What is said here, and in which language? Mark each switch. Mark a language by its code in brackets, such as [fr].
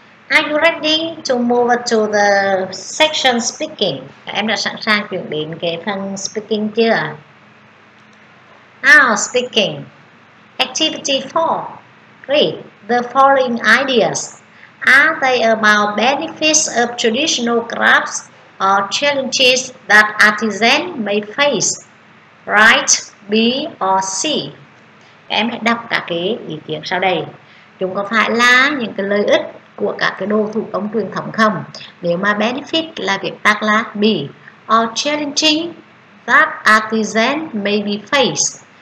[en] Are you ready to move to the section speaking? [vi] Em đã sẵn sàng chuyển đến cái phần speaking chưa? [en] Now speaking. Activity 4. Read the following ideas. Are they about benefits of traditional crafts or challenges that artisans may face? Write B or C. [vi] Em hãy đọc cả cái ý kiến sau đây. Chúng có phải là những cái lợi ích của các cái đồ thủ công truyền thống không? Nếu mà benefit là việc tắt là B. [en] Or challenging that artisan may be faced.